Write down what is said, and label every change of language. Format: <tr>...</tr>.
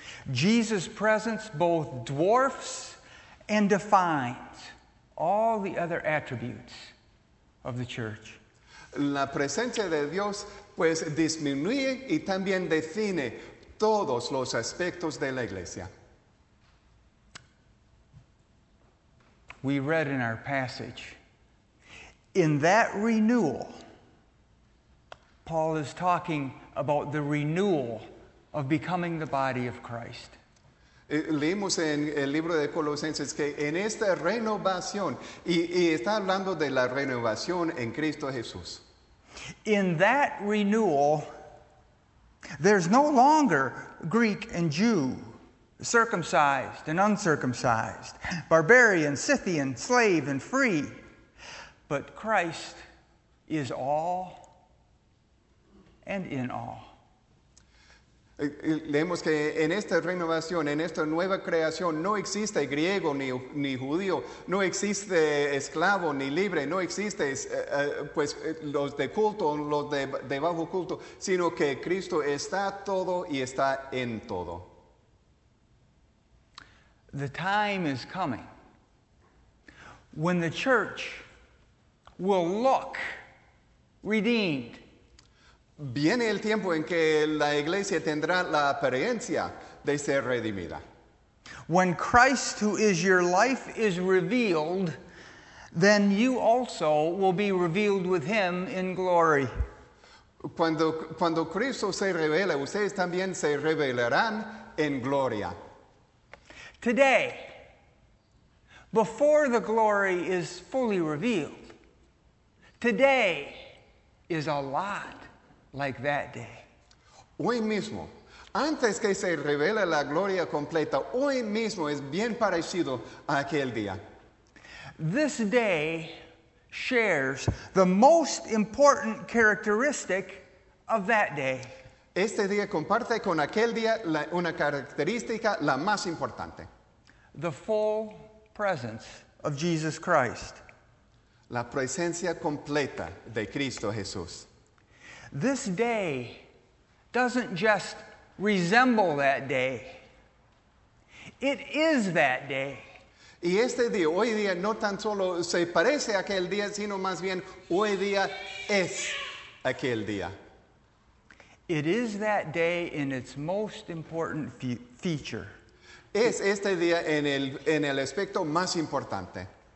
<en>Jesus' presence both dwarfs and defines all the other attributes of the church.</en> <es>La presencia de Dios, pues, disminuye y también define todos los aspectos de la iglesia.</es> <en>We read in our passage, in that renewal, Paul is talking about the renewal of becoming the body of Christ.</en> <es>Leemos en el libro de Colosenses que en esta renovación, y está hablando de la renovación en Cristo Jesús.</es> <en>In that renewal, there's no longer Greek and Jew, circumcised and uncircumcised, barbarian, Scythian, slave and free, but Christ is all and in all.</en> <es>Leemos que en esta renovación, en esta nueva creación, no existe griego ni judío, no existe esclavo ni libre, no existe pues los de culto, los de bajo culto, sino que Cristo está todo y está en todo.</es> <en>The time is coming when the church will look redeemed.</en> <es>Viene el tiempo en que la iglesia tendrá la apariencia de ser redimida.</es> <en>When Christ, who is your life, is revealed, then you also will be revealed with him in glory.</en> <es>Cuando Cristo se revela, ustedes también se revelarán en gloria.</es> <en>Today, before the glory is fully revealed, today is a lot like that day.</en> <es>Hoy mismo, antes que se revele la gloria completa, hoy mismo es bien parecido a aquel día.</es> <en>This day shares the most important characteristic of that day.</en> <es>Este día comparte con aquel día una característica la más importante.</es> <en>The full presence of Jesus Christ.</en> <es>La presencia completa de Cristo Jesús.</es> <en>This day doesn't just resemble that day. It is that day.</en> <es>Y este día, hoy día, no tan solo se parece a aquel día, sino más bien hoy día es aquel día. It is that day in its most important feature. Es este día en el aspecto más importante.</es>